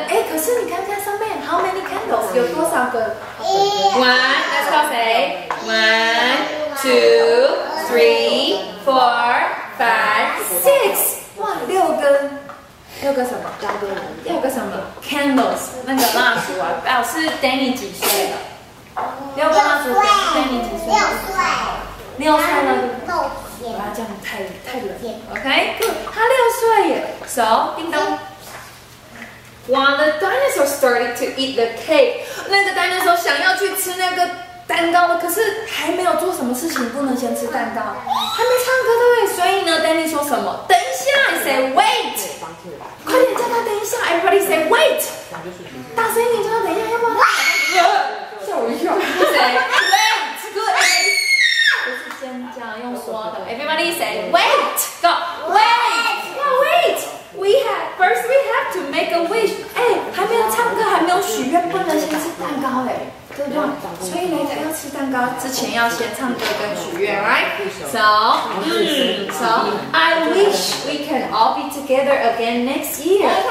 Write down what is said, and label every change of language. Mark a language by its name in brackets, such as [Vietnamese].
[Chinese] 哎，可是你看看上面 ， [English] How many candles？ [Chinese] 有多少个？ [English] One. Let's count. One, two, three, four, five, six. [Chinese] 哇，六根。六个什么？加多人。六个什么 ？Candles， 那个蜡烛啊。老师 ，Danny 几岁的？六岁。 Danny 几岁？六岁。六岁吗？六岁。哇，这样太冷。OK， 他六岁耶。So， 叮咚。 [English] Wow, the dinosaur started to eat the cake. [Chinese] 那个 dinosaur 想要去吃那个蛋糕了，可是还没有做什么事情，不能先吃蛋糕，还没唱歌对不对？所以呢 ，Danny 说什么？等一下 ， [English] I say wait， [Chinese] 快点叫他等一下 ， [English] Everybody say wait， [Chinese] 大声一点叫他等一下，要不然吓我一跳。 [English] Say wait， good， [Chinese] 不是尖叫，用说的。 [English] Everybody say wait， go wait， go wait。 We have first. We have to make a wish. [Chinese] 哎，还没有唱歌，还没有许愿，不能先吃蛋糕哎，对不对？所以呢，他要吃蛋糕之前要先唱歌跟许愿 ，right? [English] So, so I wish we can all be together again next year.